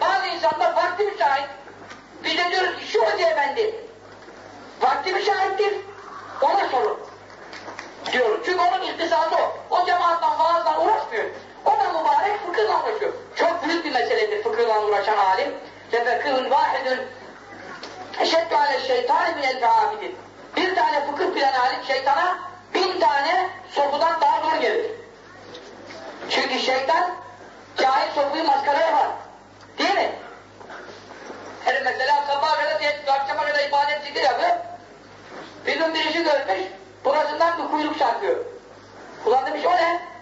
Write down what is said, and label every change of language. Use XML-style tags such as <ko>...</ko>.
<tr>Bazı insanlar vakti müsait. Biz de diyoruz ki şu hoca efendi vakti müsaittir. Ona sorun. Diyorum. Çünkü onun iktisadı o. O cemaatle, vaazla uğraşmıyor. O da mübarek fıkıhla uğraşıyor. Çok büyük bir meseledir fıkıhla uğraşan.</tr> <ar>العالم لفقيه واحد اشد على الشيطان من الف عابد.</ar> <tr>Bir tane fıkıh bilen alim şeytana 1000 tane sopudan daha zor gelir. Çünkü şeytan cahil sopuyu maskara yapar. Değil mi? Her mesela sabaha kadar diye akşama kadar ibadet zikir yapıyor. Bizim bir işi görmüş, burasından bir kuyruk sarkıyor. Ulan demiş, o ne?</tr>